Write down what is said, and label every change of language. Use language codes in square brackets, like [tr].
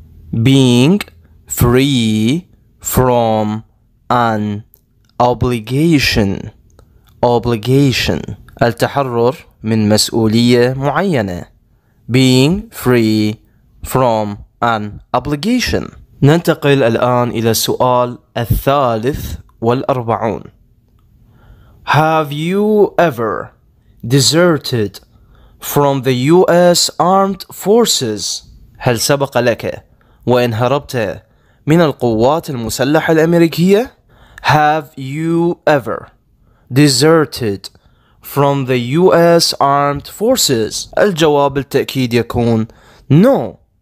[en] Being free from an obligation. Obligation. [ar] التحرر من مسؤولية معينة. [en] Being free from an obligation. [ar] ننتقل الآن إلى السؤال الثالث والأربعون. [en] Have you ever deserted from the US Armed Forces? [ar] هل سبق لك وإن هربت من القوات المسلحة الأمريكية؟ [en] Have you ever deserted from the US Armed Forces? [ar] الجواب بالتأكيد يكون No.